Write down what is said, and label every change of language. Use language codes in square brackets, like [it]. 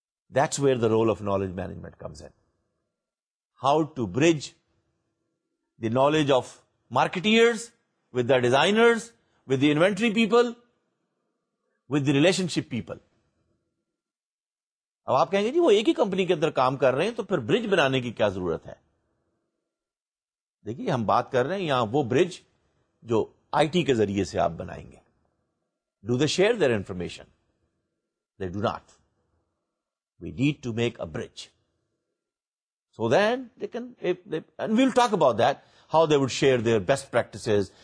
[en] That's where the role of knowledge management comes in. How to bridge the knowledge of marketeers with the designers, with the inventory people, with the relationship people. [ur] اب آپ کہیں گے جی وہ ایک ہی company کے اندر کام کر رہے ہیں تو پھر برج بنانے کی کیا ضرورت ہے؟ دیکھیے ہم بات کر رہے ہیں یہاں وہ برج جو آئی ٹی کے ذریعے سے آپ بنائیں گے. [en] Do they share their information? They do not. We need to make a bridge so then they can, and we will talk about that, how they would share their best practices.